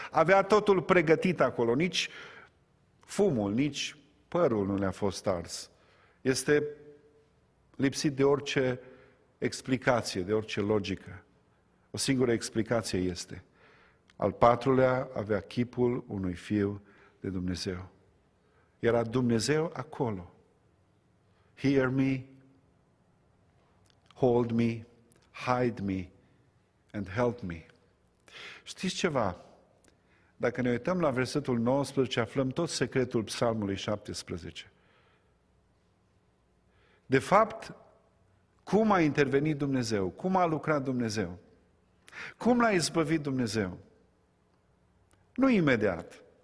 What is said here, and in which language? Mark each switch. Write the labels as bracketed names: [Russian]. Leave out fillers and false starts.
[Romanian] Avea totul pregătit acolo. Nici fumul, nici părul nu le-a fost ars. Este lipsit de orice explicație, de orice logică. O singură explicație este. Al patrulea avea chipul unui fiu de Dumnezeu. Era Dumnezeu acolo. [English] Hear me, hold me, hide me and help me. [Romanian] Știți ceva? Dacă ne uităm la versetul 19, aflăm tot secretul psalmului 17. De fapt, cum a intervenit Dumnezeu? Cum a lucrat Dumnezeu? Cum l-a izbăvit Dumnezeu? Nu imediat.